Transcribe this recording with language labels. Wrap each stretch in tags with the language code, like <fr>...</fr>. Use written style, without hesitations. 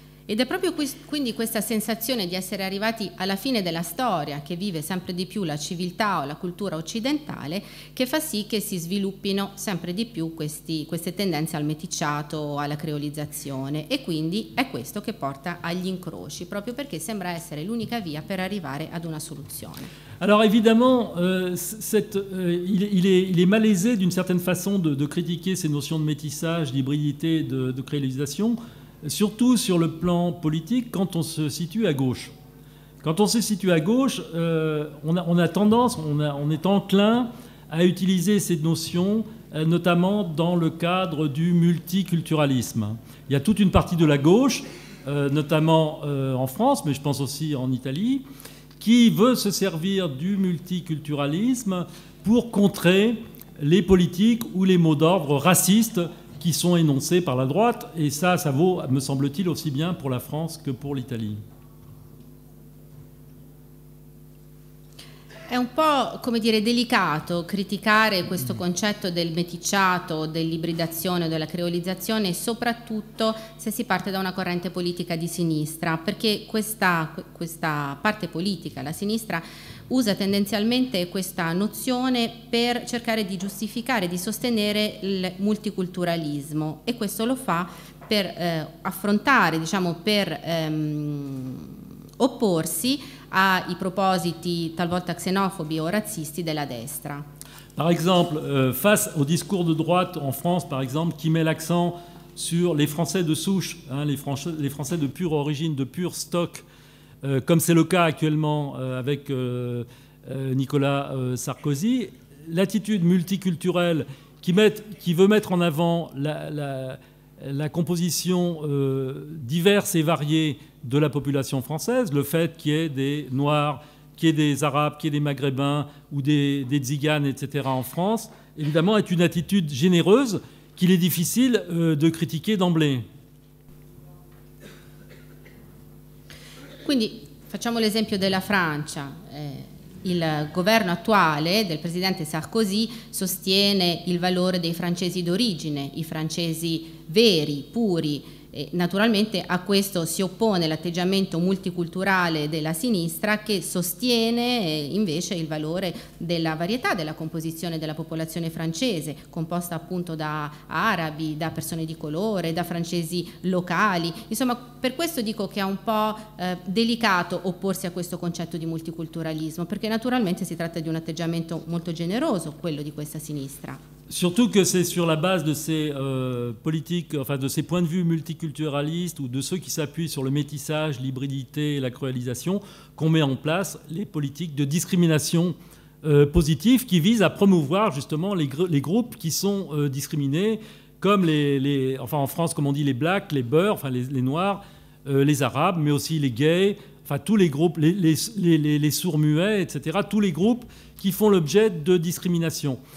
<it>Ed è proprio quindi questa sensazione di essere arrivati alla fine della storia che vive sempre di più la civiltà o la cultura occidentale che fa sì che si sviluppino sempre di più queste tendenze al meticciato, alla creolizzazione, e quindi è questo che porta agli incroci, proprio perché sembra essere l'unica via per arrivare ad una soluzione.</it> <fr>Alors évidemment, il est malaisé d'une certaine façon de critiquer ces notions de métissage, d'hybridité, de creolisation. Surtout sur le plan politique, quand on se situe à gauche. Quand on se situe à gauche, on est enclin à utiliser ces notions, notamment dans le cadre du multiculturalisme. Il y a toute une partie de la gauche, notamment en France, mais je pense aussi en Italie, qui veut se servir du multiculturalisme pour contrer les politiques ou les mots d'ordre racistes qui sont énoncés par la droite, et ça vaut, me semble-t-il, aussi bien pour la France que pour l'Italie.</fr> <it>È un po', come dire, delicato criticare questo concetto del meticciato, dell'ibridazione, della creolizzazione, soprattutto se si parte da una corrente politica di sinistra, perché questa parte politica, la sinistra, usa tendenzialmente questa nozione per cercare di giustificare, di sostenere il multiculturalismo, e questo lo fa per affrontare, diciamo, per opporsi ai propositi talvolta xenofobi o razzisti della destra.</it> <fr>Par exemple, face au discours de droite en France, par exemple, qui met l'accent sur les Français de souche, hein, les Français de pure origine, de pure stock, comme c'est le cas actuellement avec Nicolas Sarkozy, l'attitude multiculturelle qui veut mettre en avant la composition diverse et variée de la population française, le fait qu'il y ait des Noirs, qu'il y ait des Arabes, qu'il y ait des Maghrébins ou des Tziganes, etc. en France, évidemment est une attitude généreuse qu'il est difficile de critiquer d'emblée.</fr> <it>Quindi facciamo l'esempio della Francia. Il governo attuale del presidente Sarkozy sostiene il valore dei francesi d'origine, i francesi veri, puri. E naturalmente a questo si oppone l'atteggiamento multiculturale della sinistra, che sostiene invece il valore della varietà della composizione della popolazione francese, composta appunto da arabi, da persone di colore, da francesi locali. Insomma, per questo dico che è un po' delicato opporsi a questo concetto di multiculturalismo, perché naturalmente si tratta di un atteggiamento molto generoso, quello di questa sinistra.</it> <fr>Surtout que c'est sur la base de ces politiques, enfin de ces points de vue multiculturalistes ou de ceux qui s'appuient sur le métissage, l'hybridité et la cruralisation qu'on met en place les politiques de discrimination positive qui visent à promouvoir justement les groupes qui sont discriminés, comme enfin en France, comme on dit, les blacks, les beurs, enfin les noirs, les arabes, mais aussi les gays, enfin tous les groupes, les sourds-muets, etc., tous les groupes qui font l'objet de discrimination.</fr>